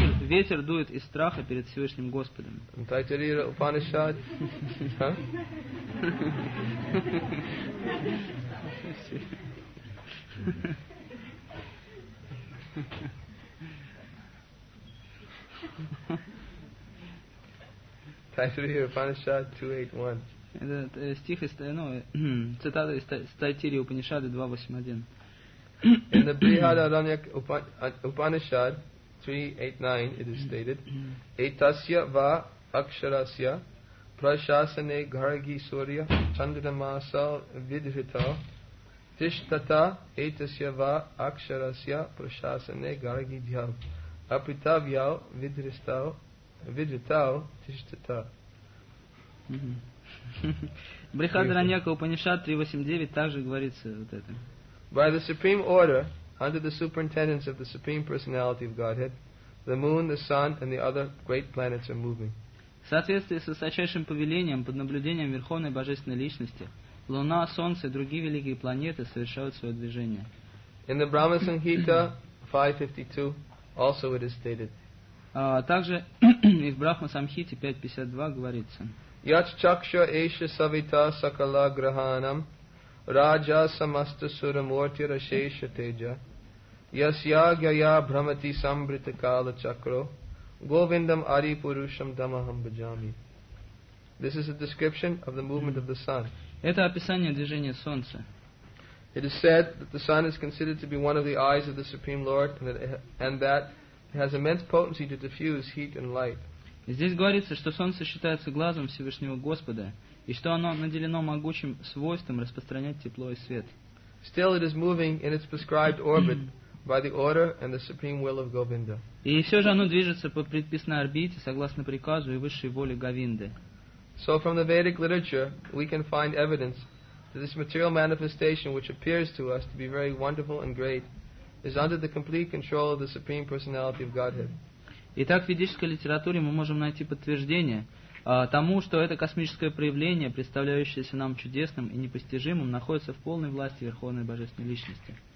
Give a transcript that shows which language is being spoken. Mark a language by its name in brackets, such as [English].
[Russian] Ветер дует из страха перед Всевышним Господом. [English] Taittiriya Upanishad. Taittiriya Upanishad 281. [Russian] Это стих из цитата из Taittiriya Upanishad 281. [English] In the Brihadaranya Upanishad 389 it is stated, [Sanskrit] Etasya va aksharasya prashasane gargi surya chandramasa vidhita tishtata etasya va aksharasya prashasane gargi dhyav apitavyav vidhritao tishtata. [Russian] Brihadaranya Upanishad 389 также говорится вот это. [English] By the supreme order, under the superintendence of the Supreme Personality of Godhead, the moon, the sun, and the other great planets are moving. [Russian] В соответствии с высочайшим повелением, под наблюдением Верховной Божественной Личности, Луна, Солнце и другие великие планеты совершают свое движение. [English] In the Brahma Sanhita 552, also it is stated. [Russian] Также и в Брахма Самхите 552 говорится. [Sanskrit] Yach chaksha esha savita sakala grahanam. Raja samasta sura murti rashesha teja yasya gaya bhramati samvrita kala chakro govindam ari purusham damaham bhajami. [English] This is a description of the movement of the sun. [Russian] Это описание движения солнца. [English] It is said that the sun is considered to be one of the eyes of the Supreme Lord and that it has immense potency to diffuse heat and light. [Russian] Здесь говорится, что солнце считается глазом Всевышнего Господа. И что оно наделено могучим свойством распространять тепло и свет. [English] Still it is moving in its prescribed orbit by the order and the supreme will of Govinda. [Russian] И все же оно движется по предписанной орбите согласно приказу и высшей воле Говинды. [English] So from the Vedic literature we can find evidence that this material manifestation which appears to us to be very wonderful and great is under the complete control of the supreme personality of Godhead. [Russian] Итак, в ведической литературе мы можем найти подтверждение тому, что это космическое проявление, представляющееся нам чудесным и непостижимым, находится в полной власти Верховной Божественной Личности.